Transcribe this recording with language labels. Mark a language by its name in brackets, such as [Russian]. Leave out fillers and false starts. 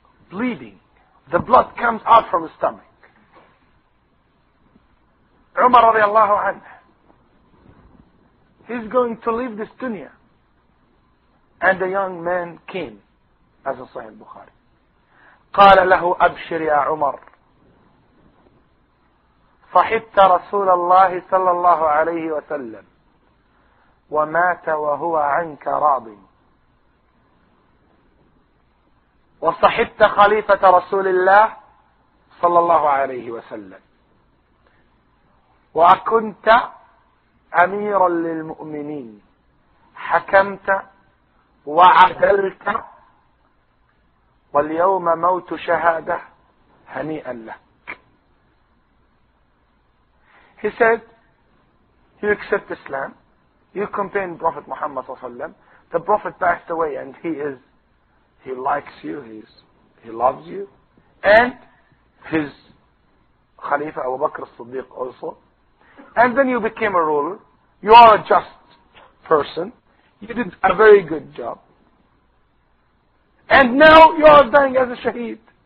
[English] Bleeding. The blood comes out from his stomach. [Arabic] Umar radiallahu anhu. [English] He's going to leave this dunya. And the young man came, as in Sahih Bukhari. [Arabic] قال له أبشر يا عمر صحبت رسول الله صلى الله عليه وسلم ومات وهو عنك راض وصحبت خليفة رسول الله صلى الله عليه وسلم وأكنت أميرا للمؤمنين حكمت وعدلت واليوم موت شهادة هنيئا لك. [English] He said, you accept Islam, you campaign Prophet Muhammad [Arabic] صلى الله عليه وسلم, [English] the Prophet passed away and he loves you, and his Khalifa Abu Bakr al-Siddiq also, and then you became a ruler, you are a just person, you did a very good job, and now you are dying as a shaheed.